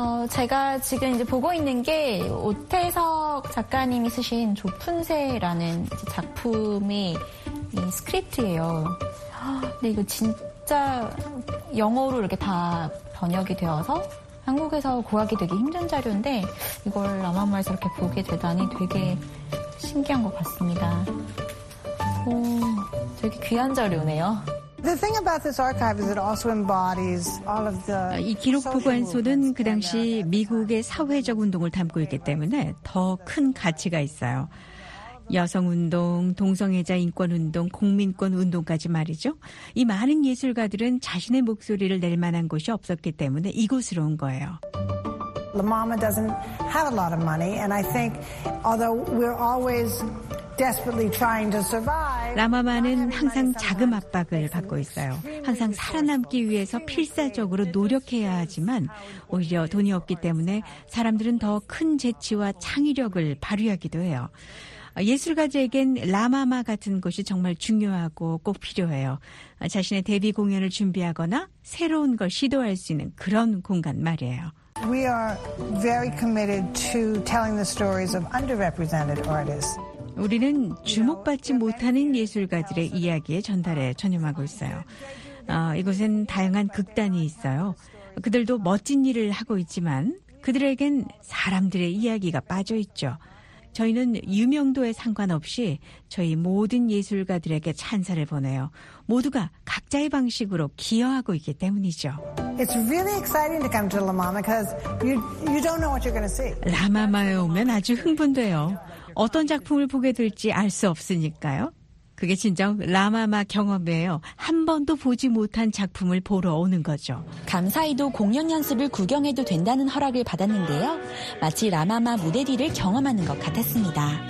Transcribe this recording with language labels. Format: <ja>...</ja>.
<ko>제가 지금 이제 보고 있는 게 오태석 작가님이 쓰신 조푼새라는 작품의 이 스크립트예요. 근데 이거 진짜 영어로 이렇게 다 번역이 되어서 한국에서 구하기 되게 힘든 자료인데 이걸 라마마에서 이렇게 보게 되다니 되게 신기한 것 같습니다. 오, 되게 귀한 자료네요.</ko> <en>The thing about this archive is it also embodies all of the.</en> <ko>이 기록 보관소는 그 당시 미국의 사회적 운동을 담고 있기 때문에 더 큰 가치가 있어요. 여성 운동, 동성애자 인권 운동, 국민권 운동까지 말이죠. 이 많은 예술가들은 자신의 목소리를 낼 만한 곳이 없었기 때문에 이곳으로 온 거예요.</ko> <en>La Mama doesn't have a lot of money, and I think although we're always desperately trying to survive.</en> <ko>라마마는 항상 자금 압박을 받고 있어요. 항상 살아남기 위해서 필사적으로 노력해야 하지만 오히려 돈이 없기 때문에 사람들은 더 큰 재치와 창의력을 발휘하기도 해요. 예술가들에겐 라마마 같은 곳이 정말 중요하고 꼭 필요해요. 자신의 데뷔 공연을 준비하거나 새로운 걸 시도할 수 있는 그런 공간 말이에요.</ko> <en>We are very committed to telling the stories of underrepresented artists.</en> <ko>우리는 주목받지 못하는 예술가들의 이야기에 전달해 전념하고 있어요. 이곳엔 다양한 극단이 있어요. 그들도 멋진 일을 하고 있지만 그들에겐 사람들의 이야기가 빠져 있죠. 저희는 유명도에 상관없이 저희 모든 예술가들에게 찬사를 보내요. 모두가 각자의 방식으로 기여하고 있기 때문이죠.</ko> <en>It's really exciting to come to La Mama because you don't know what you're going to see.</en> <ko>라마마에 오면 아주 흥분돼요. 어떤 작품을 보게 될지 알 수 없으니까요. 그게 진정 라마마 경험이에요. 한 번도 보지 못한 작품을 보러 오는 거죠. 감사히도 공연 연습을 구경해도 된다는 허락을 받았는데요. 마치 라마마 무대 뒤를 경험하는 것 같았습니다.</ko>